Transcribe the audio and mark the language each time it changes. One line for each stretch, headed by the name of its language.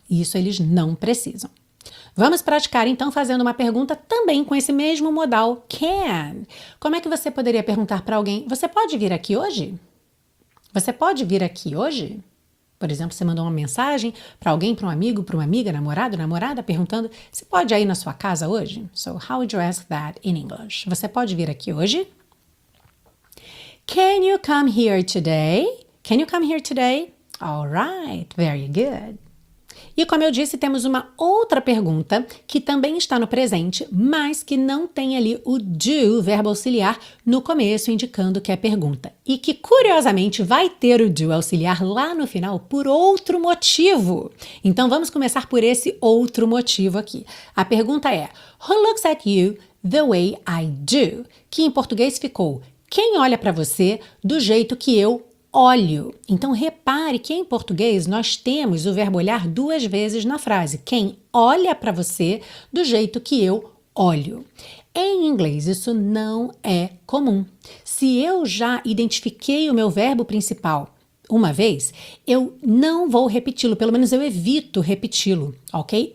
Portuguese: Isso eles não precisam. Vamos praticar então fazendo uma pergunta também com esse mesmo modal can. Como é que você poderia perguntar para alguém, você pode vir aqui hoje? Você pode vir aqui hoje? Por exemplo, você mandou uma mensagem para alguém, para um amigo, para uma amiga, namorado, namorada, perguntando, você pode ir na sua casa hoje?
English: So, how would you ask that in English?
Portuguese: Você pode vir aqui hoje?
English: Can you come here today? Can you come here today? All right, very good.
Portuguese: E como eu disse, temos uma outra pergunta que também está no presente, mas que não tem ali o do, verbo auxiliar, no começo, indicando que é pergunta. E que, curiosamente, vai ter o do auxiliar lá no final por outro motivo. Então, vamos começar por esse outro motivo aqui. A pergunta é:
English: Who looks at you the way I do?
Portuguese: Que em português ficou: Quem olha para você do jeito que eu olho. Então repare que em português nós temos o verbo olhar duas vezes na frase. Quem olha para você do jeito que eu olho. Em inglês isso não é comum. Se eu já identifiquei o meu verbo principal uma vez, eu não vou repeti-lo, pelo menos eu evito repeti-lo, ok?